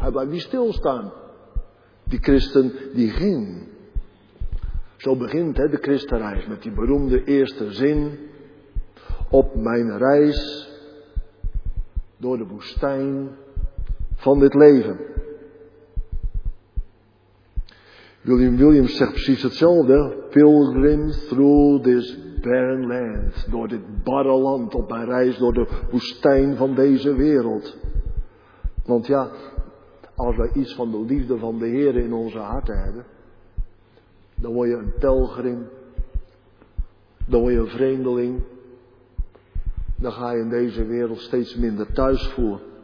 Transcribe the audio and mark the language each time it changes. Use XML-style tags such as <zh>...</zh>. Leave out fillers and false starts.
<nl>Hij blijft niet stilstaan. Die christen die ging. Zo begint hè, de christenreis met die beroemde eerste zin. Op mijn reis door de woestijn van dit leven. William Williams zegt precies hetzelfde.</nl> <en>Pilgrim through this barren land.</en> <nl>Door dit barre land op mijn reis door de woestijn van deze wereld. Want ja, als wij iets van de liefde van de Heer in onze harten hebben, dan word je een pelgrim. Dan word je een vreemdeling. Dan ga je in deze wereld steeds minder thuis voelen.</nl>